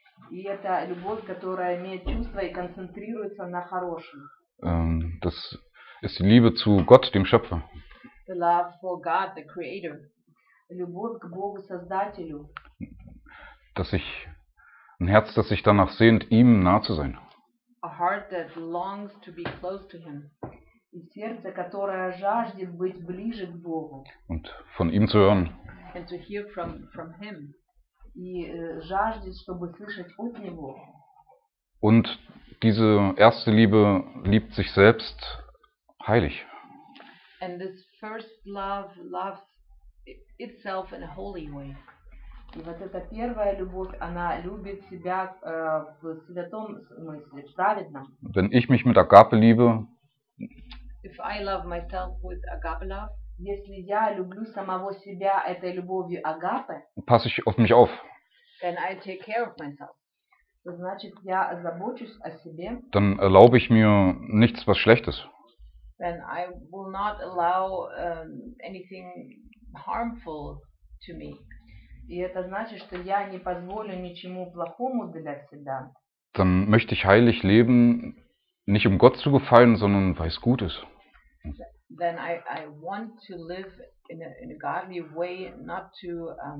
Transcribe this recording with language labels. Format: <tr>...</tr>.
<ru>И это любовь, которая имеет чувства и концентрируется на хорошем.</ru> <de>Das ist die Liebe zu Gott, dem Schöpfer.</de> <en>The love for God, the Creator.</en> <ru>Любовь к Богу, Создателю.</ru> <de>Dass ich ein Herz, das sich danach sehnt, ihm nahe zu sein.</de> <en>A heart that longs to be close to him.</en> <ru>И сердце, которое жаждет быть ближе к Богу.</ru> <de>Und von ihm zu hören.</de> <en>And to hear from him.</en> <ru>И жаждет, чтобы слышать от него.</ru> <de>Und diese erste Liebe liebt sich selbst heilig.</de> <en>And this first love loves itself in a holy way.</en> <ru>И вот эта первая любовь, она любит себя в святом смысле, в праведном.</ru> <de>Wenn ich mich mit Agape liebe,</de> <en>if I love myself with agape love,</en> <ru>если я люблю самого себя этой любовью агапы,</ru> <de>passe ich auf mich auf.</de> <en>Then I take care of myself.</en> <ru>Значит, я озабочусь о себе.</ru> <de>Dann erlaube ich mir nichts, was schlecht ist.</de> <en>Then I will not allow anything harmful to me.</en> <ru>И это значит, что я не позволю ничему плохому для себя.</ru> <de>Dann möchte ich heilig leben, nicht um Gott zu gefallen, sondern weil es gut ist.</de> <en>Then I want to live in a godly way, not to</en>